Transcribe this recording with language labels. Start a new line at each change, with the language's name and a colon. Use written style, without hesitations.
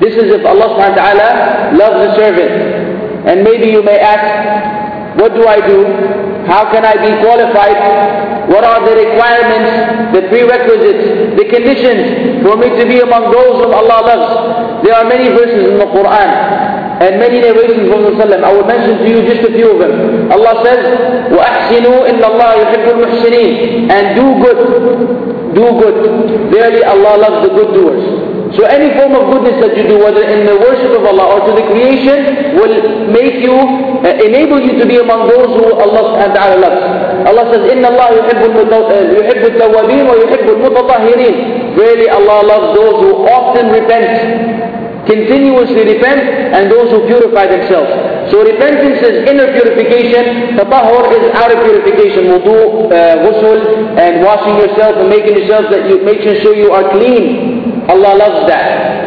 English: This is if Allah subhanahu wa ta'ala loves a servant. And maybe you may ask, what do I do? How can I be qualified? What are the requirements, the prerequisites, the conditions for me to be among those whom Allah loves? There are many verses in the Quran and many narrations from the Sallam. I will mention to you just a few of them. Allah says,
Arabic: وَأَحْسِنُوا إِنَّ اللَّهَ يُحِبُّ الْمُحْسِنِينَ.
English: And do good, do good. Verily Allah loves the good doers. So any form of goodness that you do, whether in the worship of Allah or to the creation, will make you, enable you to be among those who Allah subhanahu wa ta'ala loves. Allah says,
Arabic: إِنَّ اللَّهَ يُحِبُّ التَّوَّابِينَ وَيُحِبُّ الْمُتَطَهِّرِينَ.
English: Verily Allah loves those who often repent, continuously repent, and those who purify themselves. So repentance is inner purification, tatahur is outer purification, wudu, ghusl, and washing yourself and making yourself that you, making sure you are clean. Allah loves that.